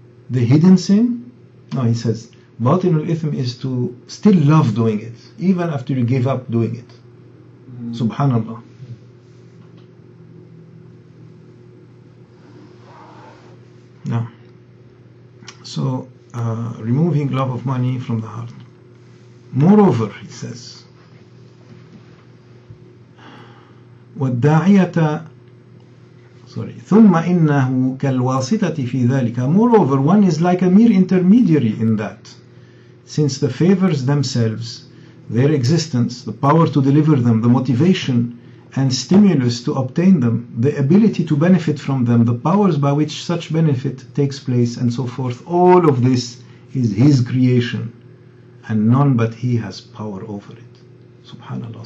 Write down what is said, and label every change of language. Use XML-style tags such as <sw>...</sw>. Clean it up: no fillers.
<en>The hidden sin? No, he says, Batin al-Ithm is to still love doing it, even after you give up doing it. Subhanallah. Now, so removing love of money from the heart. Moreover, he says,</en> <ar>وَالدَّاعِيَةَ</ar> <en>sorry,</en> <ar>ثُمَّ إِنَّهُ كَالْوَاسِطَةِ فِي ذَلِكَ.</ar> <en>Moreover, one is like a mere intermediary in that, since the favors themselves, their existence, the power to deliver them, the motivation and stimulus to obtain them, the ability to benefit from them, the powers by which such benefit takes place, and so forth, all of this is his creation, and none but he has power over it. Subhanallah.</en>